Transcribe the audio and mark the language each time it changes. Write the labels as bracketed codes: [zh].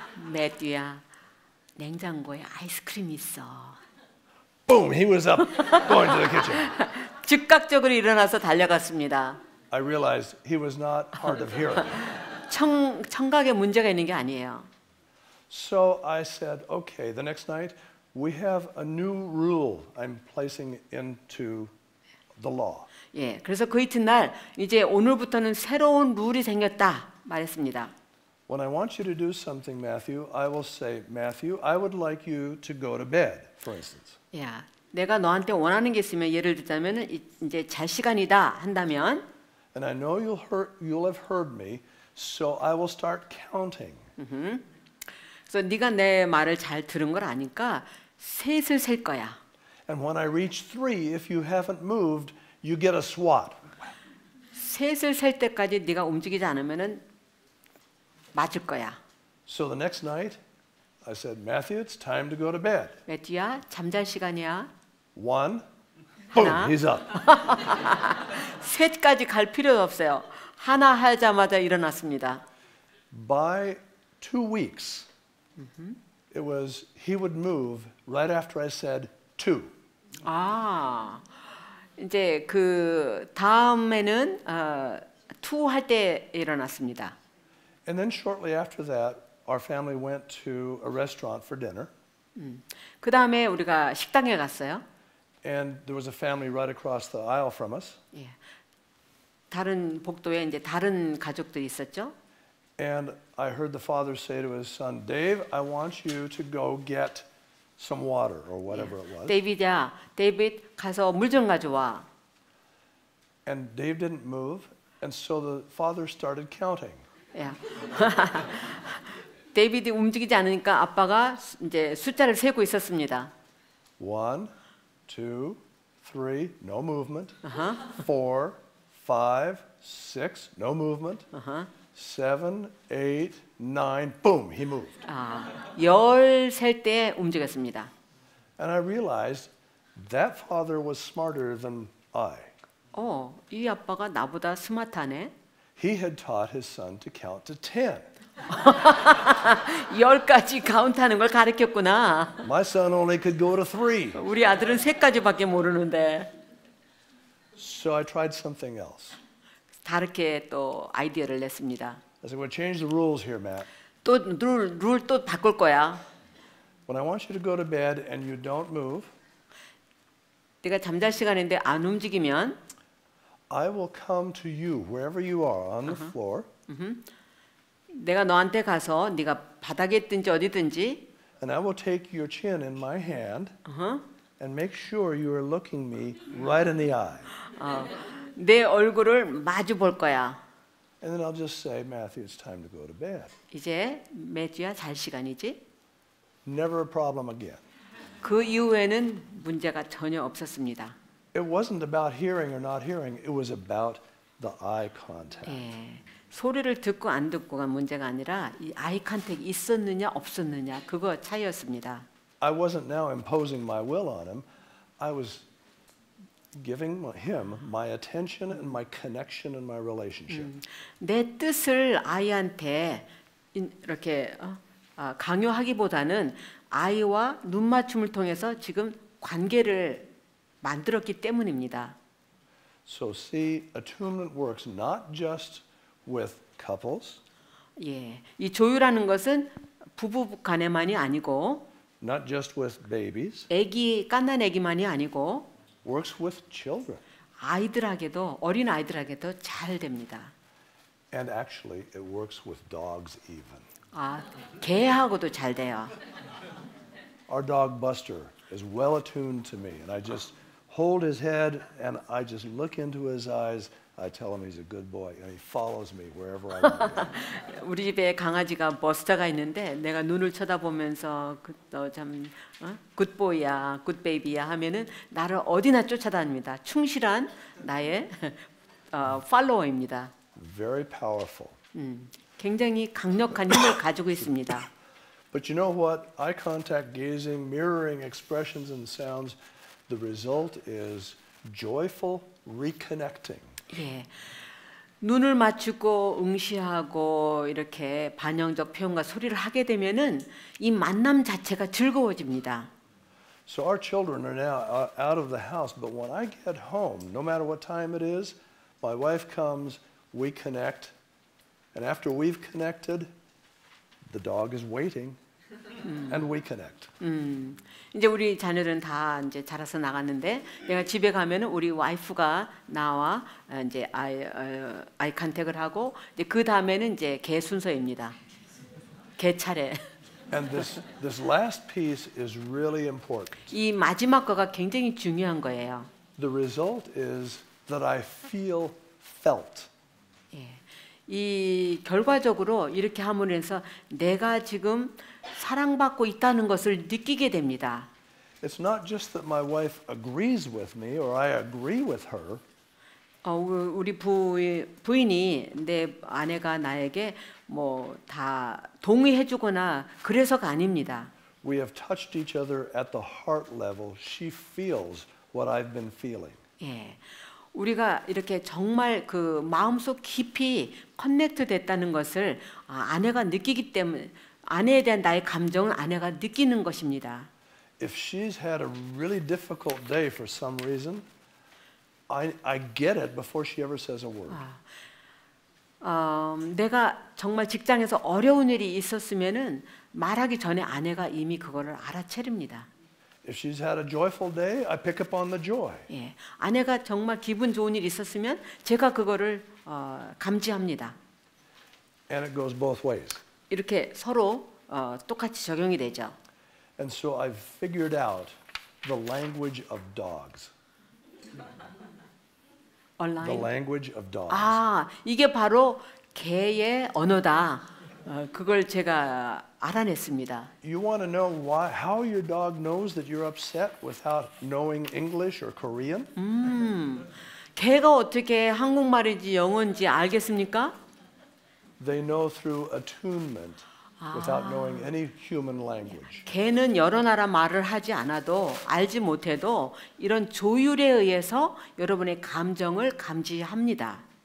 [ko] 매튜야, 냉장고에 아이스크림 있어. [en] Boom! He was up, going to the kitchen. [ko] 즉각적으로 일어나서 달려갔습니다. [en] I realized he was not hard of hearing. [ko] 청각에 문제가 있는 게 아니에요. [en] So I said, okay, the next night we have a new rule I'm placing into the law. [ko] 예, 그래서 그 이튿날 이제 오늘부터는 새로운 룰이 생겼다. 말했습니다. [en] When I want you to do something, Matthew, I will say, Matthew, I would like you to go to bed, for instance. [ko] 내가 너한테 원하는 게 있으면 예를 들자면은 이제 잘 시간이다 한다면 [en] And I know you'll have heard me, so I will start counting. [ko] 그래서 네가 내 말을 잘 들은 걸 아니까 셋을 셀 거야. [en] And when I reach three, if you haven't moved, you get a swat. [ko] 셋을 셀 때까지 네가 움직이지 않으면은 맞을 거야. [en] So the next night, I said, Matthew, it's time to go to bed. [ko] 매튜야, 잠잘 시간이야. [en] One, boom, he's up. [ko] 셋까지 갈 필요도 없어요. 하나 하자마자 일어났습니다. [en] By 2 weeks, it was he would move right after I said two. [ko] 아, 이제 그 다음에는 two 할 때 일어났습니다. [en] And then shortly after that, our family went to a restaurant for dinner. [ko] 그 다음에 우리가 식당에 갔어요. [en] And there was a family right across the aisle from us. [ko] 다른 복도에 이제 다른 가족들이 있었죠. [en] And I heard the father say to his son, Dave, I want you to go get some water or whatever it was. [ko] 데이비드야, 데이비드, 가서 물 좀 가져와. [en] And Dave didn't move, and so the father started counting. [ko] 데이비드 움직이지 않으니까 아빠가 이제 숫자를 세고 있었습니다. [en] One, two, three, no movement. Four, five, six, no movement. Seven, eight, nine, boom, he moved. [ko] 열 셀 때 움직였습니다. [en] And I realized that father was smarter than I. [ko] 이 아빠가 나보다 스마트하네. [en] He had taught his son to count to ten. [ko] 10까지 카운트하는 걸 가르쳤구나. [en] My son only could go to three. [ko] 우리 아들은 3까지밖에 모르는데. [en] So I tried something else. [ko] 다르게 또 아이디어를 냈습니다. [en] I said, we'll change the rules here, Matt. [ko] 또 룰 또 바꿀 거야. [en] When I want you to go to bed and you don't move. [ko] 네가 잠잘 시간인데 안 움직이면. [en] I will come to you wherever you are on the floor. [ko] 내가 너한테 가서 네가 바닥에 있든지 어디든지 [en] And I will take your chin in my hand and make sure you are looking me right in the eye. [ko] 내 얼굴을 마주 볼 거야. [en] And then I'll just say, Matthew, it's time to go to bed. [ko] 이제 매주야 잘 시간이지? [en] Never a problem again. [ko] 그 이후에는 문제가 전혀 없었습니다. [en] It wasn't about hearing or not hearing. It was about the eye contact. [ko] 소리를 듣고 안 듣고가 문제가 아니라 이 아이 컨택 있었느냐 없었느냐 그거 차이였습니다. [en] I wasn't now imposing my will on him. I was giving him my attention and my connection and my relationship. [ko] 내 뜻을 아이한테 이렇게 강요하기보다는 아이와 눈맞춤을 통해서 지금 관계를 만들었기 때문입니다. [en] So see, attunement works not just with couples. [ko] 이 조율하는 것은 부부 간에만이 아니고 [en] not just with babies. [ko] 아기 깐난 아기만이 아니고 [en] works with children. [ko] 아이들에게도 어린 아이들에게도 잘 됩니다. [en] And actually it works with dogs even. [ko] 개하고도 잘 돼요. [en] Our dog Buster is well attuned to me and I just hold his head and I just look into his eyes. I tell him he's a good boy and he follows me wherever I go. [ko] 우리 집에 강아지가 버스터가 있는데 내가 눈을 쳐다보면서 너 참 [en] good boy [ko] 야, [en] good baby [ko] 야 하면은 나를 어디나 쫓아다닙니다. 충실한 나의 follower입니다. [en] Very powerful. [ko] 굉장히 강력한 힘을 가지고 있습니다. [en] But you know what? Eye contact, gazing, mirroring expressions and sounds, the result is joyful reconnecting. [ko] 눈을 맞추고 응시하고 이렇게 반영적 표현과 소리를 하게 되면은 이 만남 자체가 즐거워집니다. [en] So our children are now out of the house, but when I get home, no matter what time it is, my wife comes, we connect, and after we've connected, the dog is waiting, and we connect. [ko] 이제 우리 자녀들은 다 이제 자라서 나갔는데 내가 집에 가면은 우리 와이프가 나와 이제 아이 컨택을 하고 이제 그 다음에는 이제 개 순서입니다. 개 차례. [en] And this last piece is really important. [ko] 이 마지막 거가 굉장히 중요한 거예요. [en] The result is that I feel felt. [ko] 예. 이 결과적으로 이렇게 함으로써 내가 지금 사랑받고 있다는 것을 느끼게 됩니다. [en] It's not just that my wife agrees with me or I agree with her. [ko] 우리 부인이 내 아내가 나에게 뭐 다 동의해 주거나 그래서가 아닙니다. [en] We have touched each other at the heart level. She feels what I've been feeling. [ko] 예. 우리가 이렇게 정말 그 마음속 깊이 커넥트 됐다는 것을 아내가 느끼기 때문에 아내에 대한 나의 감정을 아내가 느끼는 것입니다. [en] If she's had a really difficult day for some reason, I get it before she ever says a word. [ko] 내가 정말 직장에서 어려운 일이 있었으면은 말하기 전에 아내가 이미 그거를 알아채립니다. [en] If she's had a joyful day, I pick up on the joy. [ko] 예, 아내가 정말 기분 좋은 일 있었으면 제가 그거를 감지합니다. [en] And it goes both ways. [ko] 이렇게 서로 똑같이 적용이 되죠. [en] And so I've figured out the language of dogs. Online. The language of dogs. [ko] 아, 이게 바로 개의 언어다. 그걸 제가 알아냈습니다. [en] You want to know why, how your dog knows that you're upset without knowing English or Korean? [ko] 개가 어떻게 한국말인지 영어인지 알겠습니까? [en] They know through attunement. Without knowing any human language. [ko] 개는 여러 나라 말을 하지 않아도 알지 못해도 이런 조율에 의해서 여러분의 감정을 감지합니다.